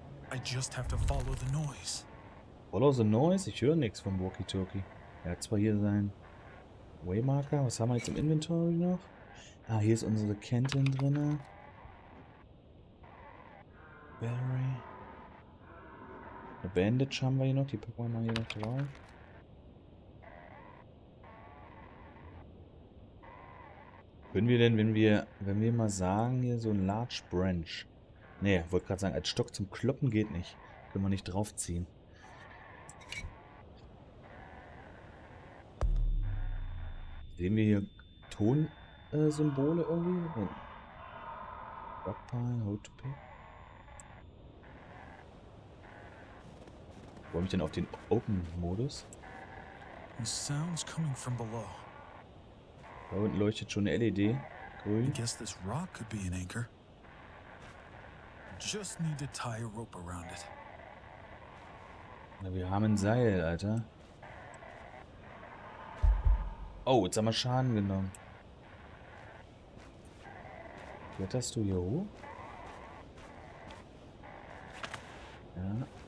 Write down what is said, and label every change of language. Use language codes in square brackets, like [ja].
[en] I just have to follow the noise. Follow the noise? [de] Ich höre nichts vom walkie-talkie. Er hat zwar hier sein Waymarker, was haben wir jetzt im Inventory noch? Ah, hier ist unsere Canton drin. [en] Battery. [de] Eine Bandage haben wir hier noch, die packen wir mal hier noch drauf. Können wir denn, wenn wir mal sagen, hier so ein Large Branch. Nee, wollte gerade sagen, als Stock zum Kloppen geht nicht. Können wir nicht draufziehen. Sehen wir hier Tonsymbole irgendwie? [en] Rockpile, Hold to Pick. [de] Wollen wir denn auf den Open-Modus? [en] The sound's coming from below. [de] Da unten leuchtet schon eine LED. Grün. [en] I guess this rock could be an anchor. Just need to tie a rope around it. [de] Na, wir haben ein Seil, Alter. Oh, jetzt haben wir Schaden genommen. Kletterst du hier hoch? Ja.